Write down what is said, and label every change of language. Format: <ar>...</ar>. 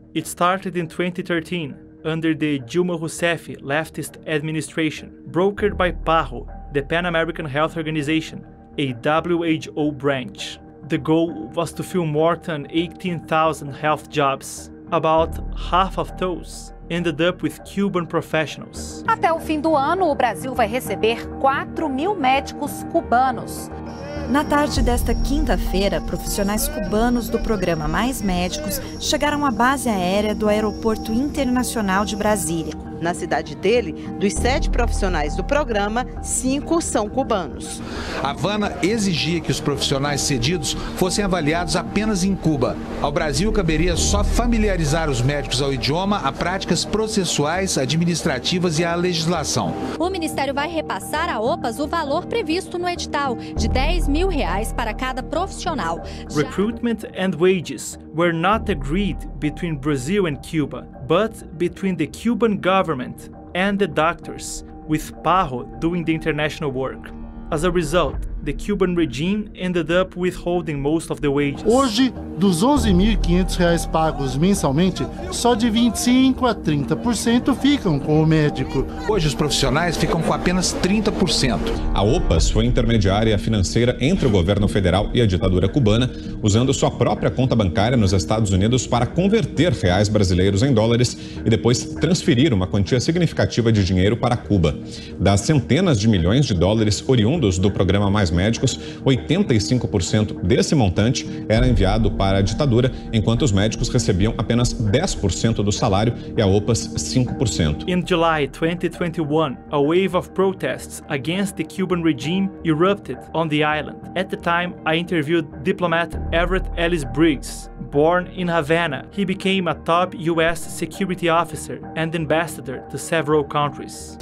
<en>It started in 2013 under the Dilma Rousseff leftist administration, brokered by PAHO, the Pan-American Health Organization, a WHO branch. The goal was to fill more than 18,000 health jobs. About half of those ended up with Cuban professionals.</en> <pt>Até o fim do ano, o Brasil vai receber 4 mil médicos cubanos. Na tarde desta quinta-feira, profissionais cubanos do programa Mais Médicos chegaram à base aérea do Aeroporto Internacional de Brasília. Na cidade dele, dos 7 profissionais do programa, 5 são cubanos. Havana exigia que os profissionais cedidos fossem avaliados apenas em Cuba. Ao Brasil, caberia só familiarizar os médicos ao idioma, a práticas processuais, administrativas e à legislação. O Ministério vai repassar à OPAS o valor previsto no edital, de R$10 mil para cada profissional.</pt> <en>Recruitment and wages were not agreed between Brazil and Cuba, but between the Cuban government and the doctors, with PAHO doing the international work. As a result, the Cuban regime ended up withholding most of the wages.</en> <pt>Hoje, dos R$11.500 pagos mensalmente, só de 25% a 30% ficam com o médico. Hoje, os profissionais ficam com apenas 30%. A OPAS foi intermediária financeira entre o governo federal e a ditadura cubana, usando sua própria conta bancária nos Estados Unidos para converter reais brasileiros em dólares e depois transferir uma quantia significativa de dinheiro para Cuba. Das centenas de milhões de dólares oriundos do programa Mais Médicos, 85% desse montante era enviado para a ditadura, enquanto os médicos recebiam apenas 10% do salário e a OPAS 5%.</pt> <en>In July 2021, a wave of protests against the Cuban regime erupted on the island. At the time, I interviewed diplomat Everett Ellis Briggs. Born in Havana, he became a top U.S. security officer and ambassador to several countries.</en>